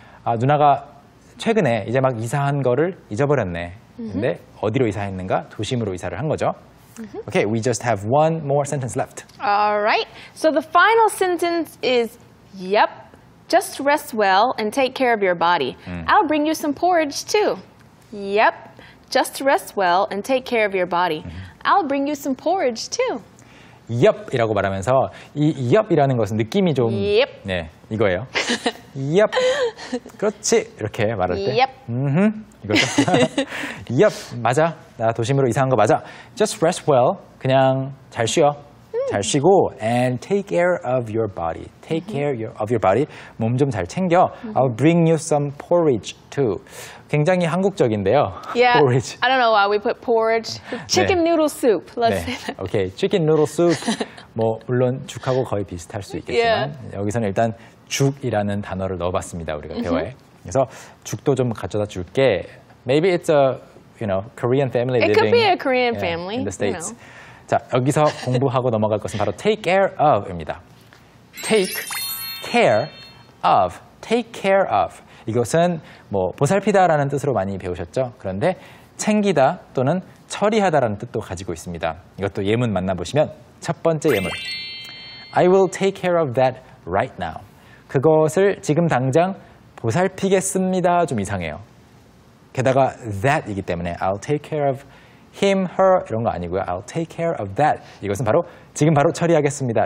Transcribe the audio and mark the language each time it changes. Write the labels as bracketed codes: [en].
[ko] 아, 누나가 최근에 이제 막 이사한 거를 잊어버렸네. 근데 어디로 이사했는가? 도심으로 이사를 한 거죠. [en] Okay, we just have one more sentence left. All right. So the final sentence is, yep, just rest well and take care of your body. I'll bring you some porridge too. Yep, just rest well and take care of your body. I'll bring you some porridge too. [ko] Yep이라고 말하면서 이 yep이라는 것은 느낌이 좀 [en] yep. [ko] 네, 이거예요. yep. 그렇지. 이렇게 말할 때. [en] yep. [ko] 이거죠. yep. 맞아. 나 도심으로 이사한 거 맞아. [en] Just rest well. [ko] 그냥 잘 쉬어. 잘 쉬고 [en] and take care of your body. Take care of your body. [ko] 몸 좀 잘 챙겨. [en] I'll bring you some porridge too. [ko] 굉장히 한국적인데요. [en] Yeah, porridge. I don't know why we put porridge. Chicken [ko] 네. [en] noodle soup. Let's 네. say that. Okay, chicken noodle soup. [ko] 뭐 물론 죽하고 거의 비슷할 수 있겠지만 여기서는 일단 죽이라는 단어를 넣어봤습니다. 우리가 대화에. 그래서 죽도 좀 가져다 줄게. [en] Maybe it's a you know Korean family It living. It could be a Korean family in the States. You know. [ko] 자, 여기서 공부하고 넘어갈 것은 바로 take care of입니다. [en] Take care of, take care of. [ko] 이것은 뭐 보살피다라는 뜻으로 많이 배우셨죠? 그런데 챙기다 또는 처리하다라는 뜻도 가지고 있습니다. 이것도 예문 만나보시면 첫 번째 예문. [en] I will take care of that right now. [ko] 그것을 지금 당장 보살피겠습니다. 좀 이상해요. 게다가 that이기 때문에 [en] I'll take care of him, her [ko] 이런 거 아니고요. [en] I'll take care of that. [ko] 이것은 바로 지금 바로 처리하겠습니다.